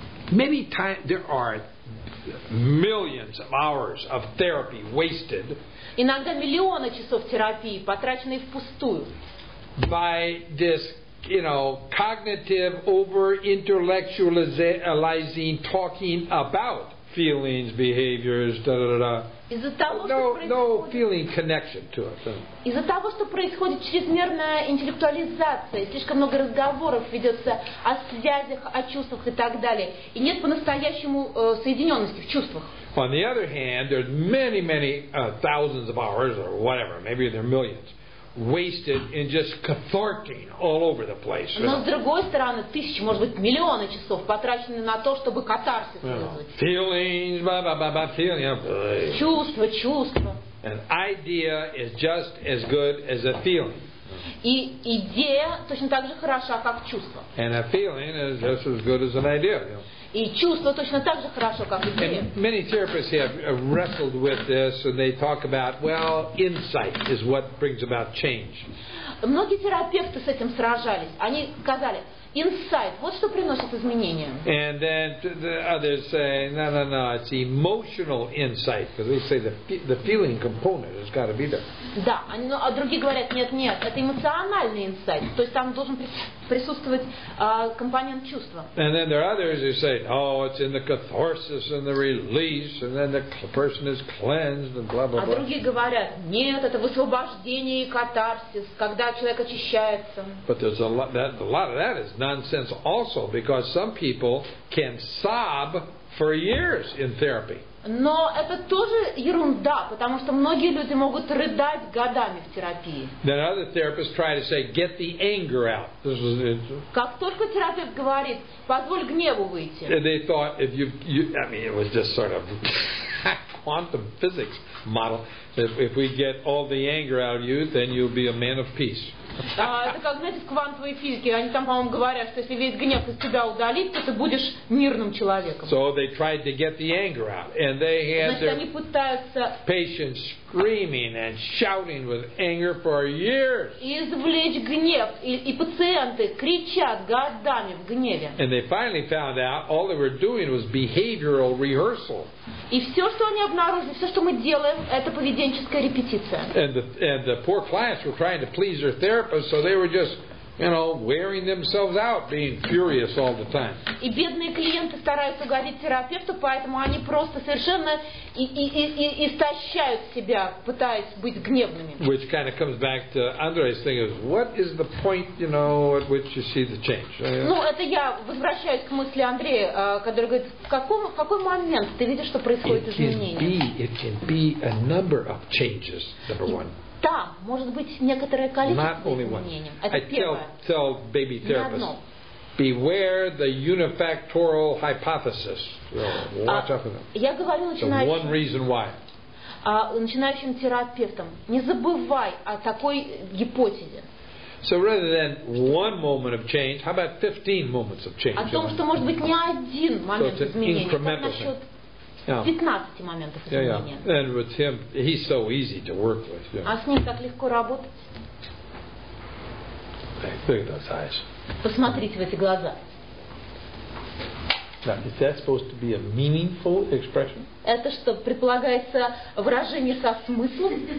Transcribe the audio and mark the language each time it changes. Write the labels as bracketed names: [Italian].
[English] Many times there are millions of hours of therapy wasted. [Russian] Иногда миллионы часов терапии потраченные впустую. [English] By this, you know, cognitive over-intellectualizing, talking about feelings, behaviors, da da da da. [Russian] Из-за того, что [English] no feeling connection to it. [Russian] Из-за того, что происходит чрезмерная интеллектуализация, слишком много разговоров ведется о связях, о чувствах и так далее, и нет по-настоящему соединенности в чувствах. [English] On the other hand, there's many, many thousands of hours or whatever, maybe there are millions, wasted in just cathartic all over the place. [Russian] Но с другой стороны, тысячи, может быть, миллионы часов потрачены на то, чтобы катарсис вызвать. [English] Feelings, blah, feelings. [Russian] Чувства. [English] An idea is just as good as a feeling. [Russian] И идея точно так же хороша, как чувство. [English] And a feeling is just as good as an idea. You know? [Russian] И чувство точно так же хорошо, как идея. [English] And many therapists have wrestled with this, and they talk about, well, insight is what brings about change. [Russian] Многие терапевты с этим сражались. Они сказали, insight, вот что приносит изменения. [English] And then the others say, no, it's emotional insight, because they say the feeling component has got to be there. [Russian] Да, а другие говорят, нет, это эмоциональный инсайт, то есть там должен присутствовать компонент чувства. [English] And then there are others who say, oh, it's in the catharsis and the release, and then the person is cleansed and blah blah blah. [Russian] А другие говорят, нет, это высвобождение и катарсис, когда человек очищается. [English] But there's a lot of that is nonsense also, because some people can sob for years in therapy. [Russian] Но это тоже ерунда, потому что многие люди могут рыдать годами в терапии. [English] Then other therapists try to say, get the anger out. This is it. [Russian] Как только терапевт говорит, позволь гневу выйти. [English] And they thought, if it was just sort of quantum physics model. If we get all the anger out of you, then you'll be a man of peace. [Russian] Это как, знаете, в квантовой физике. Они там, по-моему, говорят, что если весь гнев из тебя удалить, то ты будешь мирным человеком. [English] So they tried to get the anger out. And they had patients screaming and shouting with anger for years. [Russian] Извлечь гнев. И пациенты кричат годами в гневе. [English] And they finally found out all they were doing was behavioral rehearsal. [Russian] И все, что они обнаружили, все, что мы делаем, это поведенческая репетиция. [English] And the poor clients were trying to please their therapist, so they were just, you know, wearing themselves out, being furious all the time. [Russian] И бедные клиенты стараются угодить терапевту, поэтому они просто совершенно истощают себя, пытаясь быть гневными. [English] Which kind of comes back to Andre's thing is, what is the point, you know, at which you see the change? [Russian] Ну, это я возвращаюсь к мысли Андрея, который говорит, в какой момент ты видишь, что происходит изменение? [English] It can be a number of changes, number one. [Russian] Да, может быть, некоторое количество изменений. Это первое. [English] Tell baby therapists, beware the unifactorial hypothesis. Watch out for them. [Russian] Я говорю начинающим. [English] The one reason why. [Russian] Начинающим терапевтам, не забывай о такой гипотезе. [English] So rather than one moment of change, how about 15 moments of change? [Russian] О том, что может быть не один момент изменения. [English] So it's [Russian] пятнадцати моментов изменения. [English] Yeah. And with him, he's so easy to work with. Yeah. [Russian] А с ним так легко работать? [English] Look at those eyes. [Russian] Посмотрите в эти глаза. [English] Now, is that supposed to be a meaningful expression? [Russian] Это что, предполагается выражение со смыслом?